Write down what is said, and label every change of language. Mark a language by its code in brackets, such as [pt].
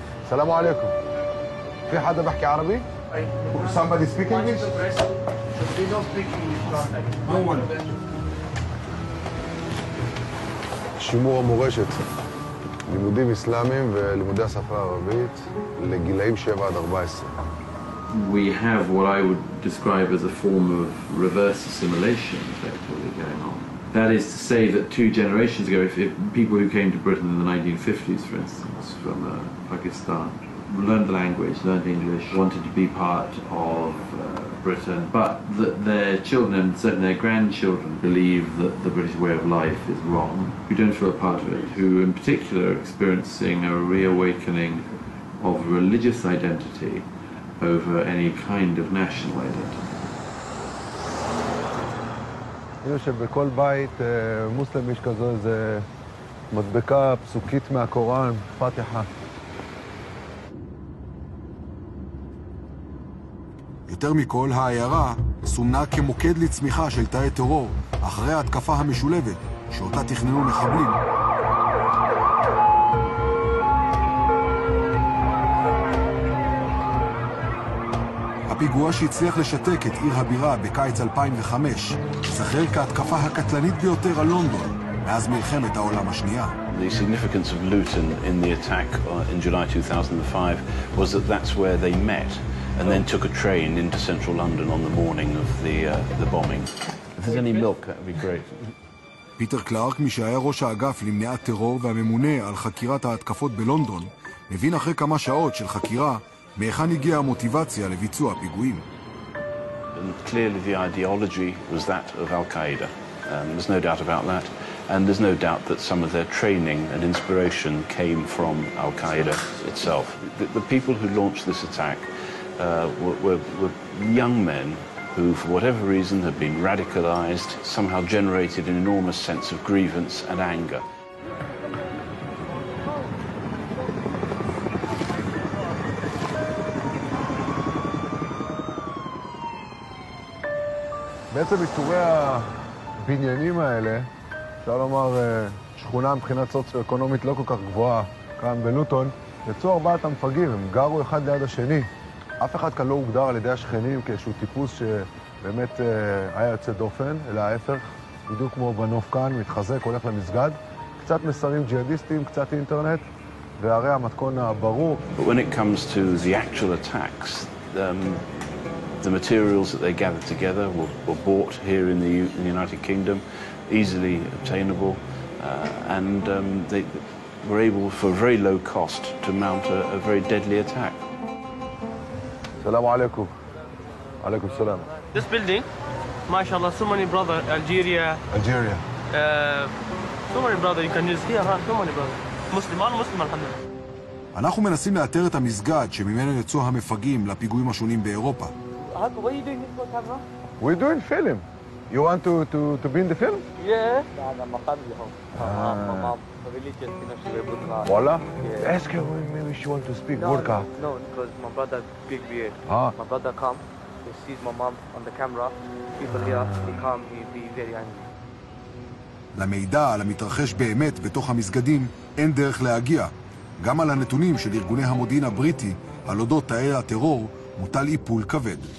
[ar] סלאם עליכם. פי חדה בחקי ערבי? אי. [en] סמבדי ספיק אינגליש? [he] שימור המורשת. לימודים אסלאמיים ולימודי השפה הערבית לגילאים 7 עד 14. [en] We have what I would describe as a form of reverse assimilation effectively going on. That is to say that two generations ago, if people who came to Britain in the 1950s, for instance, from Pakistan, learned the language, learned English, wanted to be part of Britain, but that their children and certainly their grandchildren believe that the British way of life is wrong, who don't feel a part of it, who in particular are experiencing a reawakening of religious identity over any kind of national identity. [he] יש בכל בית מוסלמי שכזו איזה מדבקה פסוקית מהקוראן, פתיחה. יותר מכל, העיירה סומנה כמוקד לצמיחה של תאי טרור אחרי ההתקפה המשולבת שאותה תכננו מחבלים. הפיגוע שהצליח לשתק את עיר הבירה בקיץ 2005 זכר כהתקפה הקטלנית ביותר על לונדון מאז מלחמת העולם השנייה. [en] The significance of Luton in the attack in July 2005 was that that's where they met and then took a train into central London on the morning of the bombing. If there's any milk, that would be great. [he] פיטר קלארק, מי שהיה ראש האגף למניעת טרור והממונה על חקירת ההתקפות בלונדון, מבין אחרי כמה שעות של חקירה מאיכן הגיעה המוטיבציה לביצוע הפיגועים. [en] And clearly the ideology was that of Al-Qaeda. There's no doubt about that. And there's no doubt that some of their training and inspiration came from Al-Qaeda itself. The people who launched this attack were young men who, for whatever reason, had been radicalized, somehow generated an enormous sense of grievance and anger. [he] בעצם איתורי הבניינים האלה, אפשר לומר שכונה מבחינת סוציו-אקונומית לא כל כך גבוהה כאן בלוטון, יצאו ארבעת המפגעים, הם גרו אחד ליד השני. אף אחד כאן לא הוגדר על ידי השכנים כאיזשהו טיפוס שבאמת היה יוצא דופן, אלא ההפך, בדיוק כמו בנוף כאן, מתחזק, הולך למסגד. קצת מסרים ג'יהאדיסטיים, קצת אינטרנט, והרי המתכון הברור. [en] When it comes to the actual attacks, the materials that they gathered together were bought here in the United Kingdom, easily obtainable, and they were able, for very low cost, to mount a very deadly attack. [ar] Assalamu alaikum. Alaikum salam. [en] This building, mashallah, so many brothers, Algeria. Algeria. So many brothers, you can use here, huh? So many brothers. Muslim, all Muslim, alhamdulillah. [he] אנחנו מנסים לאתר את המסגד שממנו יצאו המפגעים לפיגועים השונים באירופה. [en] What are you doing with your camera? We're doing film. You want to be in the film? Yeah. Voila. Yeah. Ask her maybe she wants to speak Gurkha. No, no, because my brother big beard. Ah. My brother come, he sees my mom on the camera. People here, he come, he be very angry. [he] למידע על המתרחש באמת בתוך המסגדים אין דרך להגיע. גם על הנתונים של ארגוני המודיעין הבריטי על אודות תאי הטרור מוטל איפול כבד.